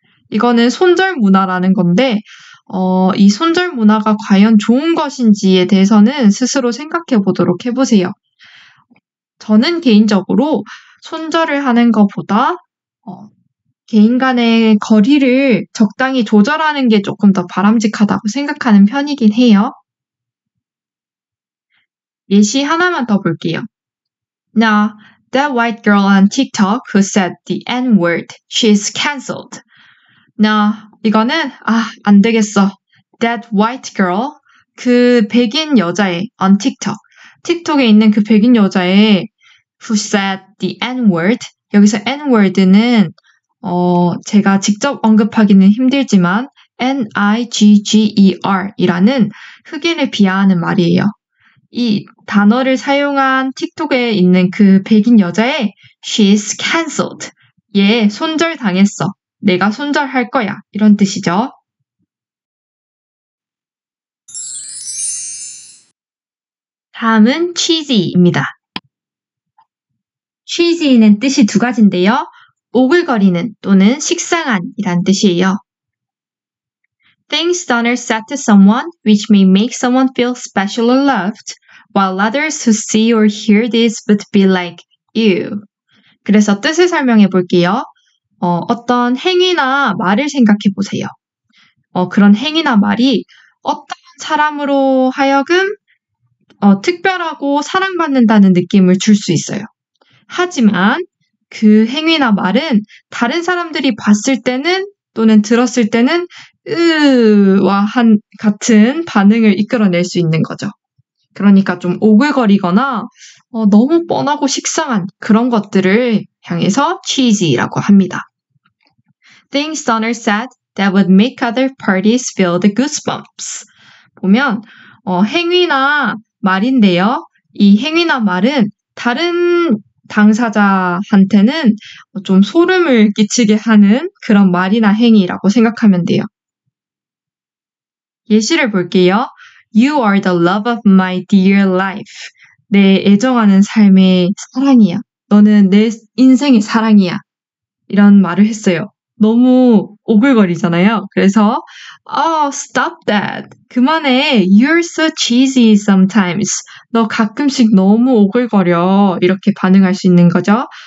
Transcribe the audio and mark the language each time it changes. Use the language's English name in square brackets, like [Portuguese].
[Korean] 이거는 손절 문화라는 건데 이 손절 문화가 과연 좋은 것인지에 대해서는 스스로 생각해 보도록 해보세요. 저는 개인적으로 손절을 하는 것보다 개인 간의 거리를 적당히 조절하는 게 조금 더 바람직하다고 생각하는 편이긴 해요. 예시 하나만 더 볼게요. [English] Now, that white girl on TikTok who said the N-word, she's cancelled. Now, [Korean] 이거는 아, 안 되겠어. [English] That white girl, [Korean] 그 백인 여자의 [English] on TikTok. [Korean] 틱톡에 있는 그 백인 여자의 [English] who said the N-word. [Korean] 여기서 N-word는 제가 직접 언급하기는 힘들지만 N-I-G-G-E-R 이라는 흑인을 비하하는 말이에요. 이 단어를 사용한 틱톡에 있는 그 백인 여자의 [English] She's cancelled. [Korean] 얘 손절당했어. 내가 손절할 거야. 이런 뜻이죠. 다음은 cheesy입니다. cheesy는 뜻이 두 가지인데요. 오글거리는 또는 식상한 이란 뜻이에요. [English] Things done or said to someone which may make someone feel special or loved, while others who see or hear this would be like, ew. [Korean] 그래서 뜻을 설명해 볼게요. 어떤 행위나 말을 생각해 보세요. 그런 행위나 말이 어떤 사람으로 하여금 특별하고 사랑받는다는 느낌을 줄 수 있어요. 하지만 그 행위나 말은 다른 사람들이 봤을 때는 또는 들었을 때는 으와 같은 반응을 이끌어낼 수 있는 거죠. 그러니까 좀 오글거리거나 너무 뻔하고 식상한 그런 것들을 향해서 cheesy라고 합니다. [English] Things done or said that would make other parties feel the goosebumps. [Korean] 보면 행위나 말인데요. 이 행위나 말은 다른 당사자한테는 좀 소름을 끼치게 하는 그런 말이나 행위라고 생각하면 돼요. 예시를 볼게요. [English] You are the love of my dear life. [Korean] 내 애정하는 삶의 사랑이야. 너는 내 인생의 사랑이야. 이런 말을 했어요. 너무 오글거리잖아요. 그래서 [English] Oh, stop that. [Korean] 그만해. [English] You're so cheesy sometimes. [Korean] 너 가끔씩 너무 오글거려. 이렇게 반응할 수 있는 거죠.